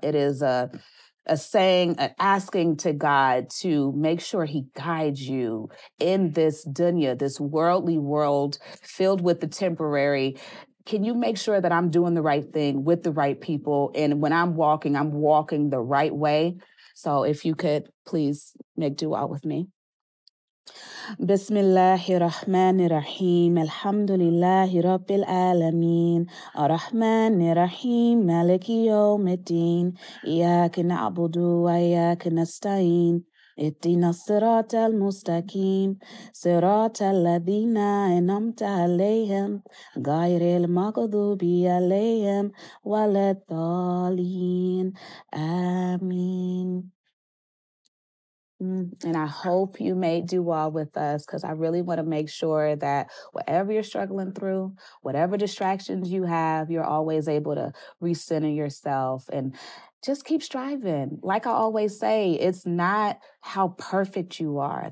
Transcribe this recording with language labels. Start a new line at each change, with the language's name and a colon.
English: It is a saying, asking to God to make sure he guides you in this dunya, this worldly world filled with the temporary. Can you make sure that I'm doing the right thing with the right people? And when I'm walking the right way. So if you could please make dua with me.
Arabic: بسم الله الرحمن الرحيم الحمد لله رب العالمين الرحمن الرحيم مالك يوم الدين إياك نعبد وإياك نستعين اهدنا الصراط المستقيم صراط الذين أنعمت عليهم غير المغضوب عليهم ولا الضالين آمين.
English: And I hope you made dua with us, because I really want to make sure that whatever you're struggling through, whatever distractions you have, you're always able to recenter yourself and just keep striving. Like I always say, it's not how perfect you are.